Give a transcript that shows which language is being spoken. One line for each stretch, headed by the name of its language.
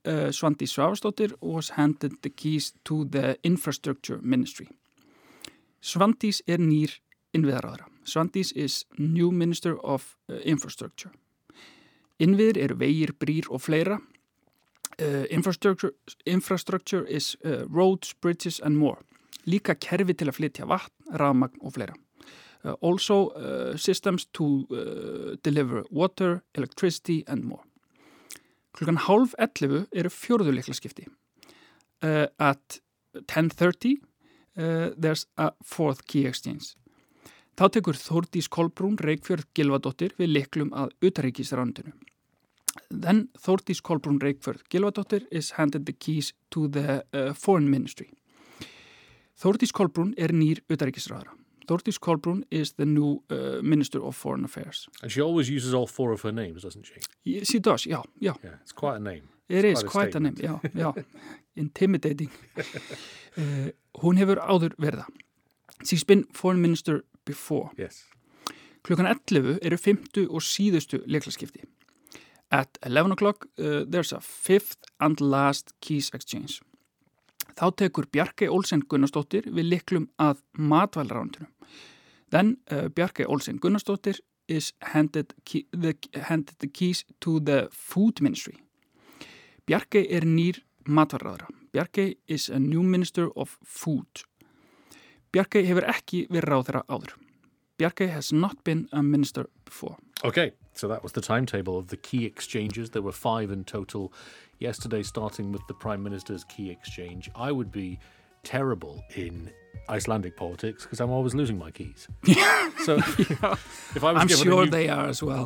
English: Svandís Svavarsdóttir was handed the keys to the infrastructure ministry.
Icelandic: Svandís nýr innviða ráðherra.
English: Svandís is new minister of infrastructure.
Icelandic: Innviðir vegir, brýr og fleira.
English: Infrastructure is roads, bridges and more.
Icelandic: Líka kerfi til að flytja vatn, rafmagn og fleira.
English: Also systems to deliver water, electricity and more.
Icelandic: Klukkan 10:30 fjórðu lyklaskipti.
English: At 10:30 there's a fourth key exchange.
Icelandic: Þá tekur Þórdís Kolbrún Reykfjörð Gylfadóttir við lyklum að utanríkisráðuneytinu.
English: Then Þórdís Kolbrún Reykfjörð Gylfadóttir is handed the keys to the foreign ministry.
Icelandic: Þórdís Kolbrún nýr utanríkisráðherra.
English: Þórdís Kolbrún is the new minister of foreign affairs. And she always uses all four of her names, doesn't she? She does, yeah. Yeah, it's quite a name. It's quite a name, yeah, yeah. Intimidating.
Icelandic: hún hefur áður verða.
English: She's been foreign minister before. Yes.
Icelandic: Klukkan 11 fimmtu og síðustu lyklaskipti.
English: At 11:00, there's a fifth and last keys exchange.
Icelandic: Þá tekur Bjarkey Olsen Gunnarsdóttir við lyklum að matvælaráðuneytinu.
English: Then Bjarkey Olsen Gunnarsdóttir is handed the keys to the food ministry.
Icelandic: Bjarkey nýr matvælaráðherra.
English: Bjarkey is a new minister of food.
Icelandic: Bjarkey hefur ekki verið ráðherra áður.
English: Bjarkey has not been a minister before. Okay, so that was the timetable of the key exchanges. There were 5 in total. Yesterday, starting with the Prime Minister's key exchange, I would be terrible in Icelandic politics because I'm always losing my keys. So, yeah. If I was I'm given sure a new, they are as well.